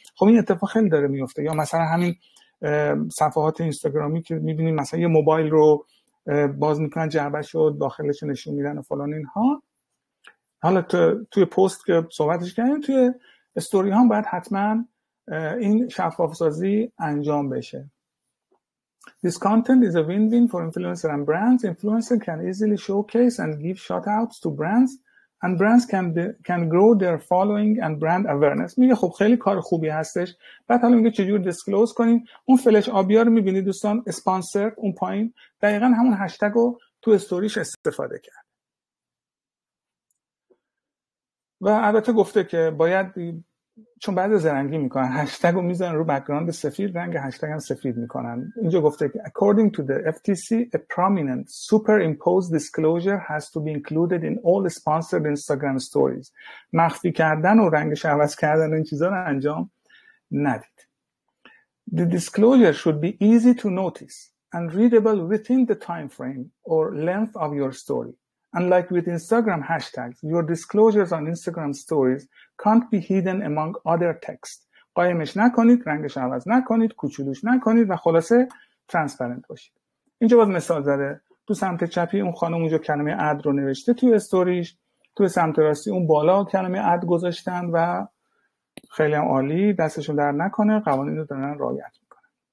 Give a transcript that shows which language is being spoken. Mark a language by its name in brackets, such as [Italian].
[Persian] خب این اتفاق خیلی داره میفته. یا مثلا همین صفحات اینستاگرامی که میبینید مثلا یه موبایل رو باز میکنن، جعبه‌شو داخلش نشون میدن و فلان اینها. حالا توی پست که صحبتش کردیم، توی استوری هم باید حتما این شفاف سازی انجام بشه. [English] This content is a win-win for influencer and brands. Influencer can easily showcase and give shoutouts to brands and brands can grow their following and brand awareness. [Persian] میگه خب خیلی کار خوبی هستش. بعد حالا میگه چجور دیسکلوز کنیم. اون فلش آبیا رو میبینید دوستان، اسپانسر اون پایین، دقیقا همون هشتگ رو تو استوریش استفاده کرد و البته گفته که باید، چون بعضی زرنگی میکنن هشتگ رو میذارن رو بک‌گراند سفید، رنگ هشتگ هم سفید میکنن. اینجا گفته که [English] according to the FTC a prominent superimposed disclosure has to be included in all sponsored Instagram stories. [Persian] مخفی کردن و رنگش عوض کردن این چیزا رو انجام ندید. [English] The disclosure should be easy to notice and readable within the time frame or length of your story. Unlike with Instagram hashtags, your disclosures on Instagram stories can't be hidden among other text. [Persian] قایمش نکنید، رنگش عوض نکنید، کوچولوش نکنید و خلاصه ترانسپرنت باشید. اینجا باز مثال زده، تو سمت چپی اون خانم اونجا کلمه اد رو نوشته توی استوریش، تو سمت راستی اون بالا کلمه اد گذاشتن و خیلی هم عالی، دستشون در نکنه، قوانین رو دارن رعایت میکنن.